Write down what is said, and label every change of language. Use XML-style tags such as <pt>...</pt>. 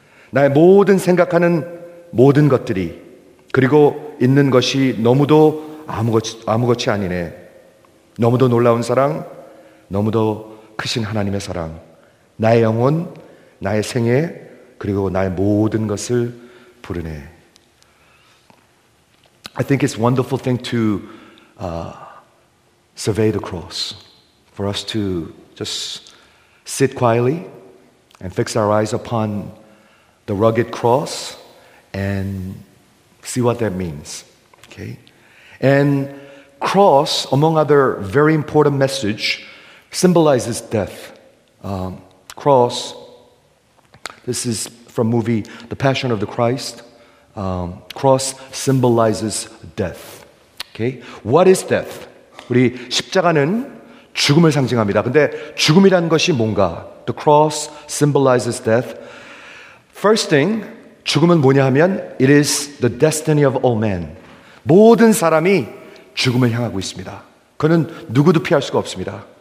<ko>나의 모든 생각하는 모든 것들이 그리고 있는 것이 너무도 아무것이 아니네. 너무도 놀라운 사랑, 너무도 크신 하나님의 사랑, 나의 영혼, 나의 생애, 그리고 나의 모든 것을 부르네.</ko> <en>I think it's a wonderful thing to survey the cross. For us to just sit quietly and fix our eyes upon the rugged cross and see what that means. Okay? And cross, among other very important message, symbolizes death. Cross, this is from movie The Passion of the Christ, cross symbolizes death. Okay? What is death?</en> <ko>우리 십자가는 죽음을 상징합니다. 근데 죽음이란 것이 뭔가?</ko> <en>The cross symbolizes death. First thing,</en> <ko>죽음은 뭐냐 하면</ko> <en>it is the destiny of all men.</en> <ko>모든 사람이 죽음을 향하고 있습니다. 그는 누구도 피할 수가 없습니다.</ko>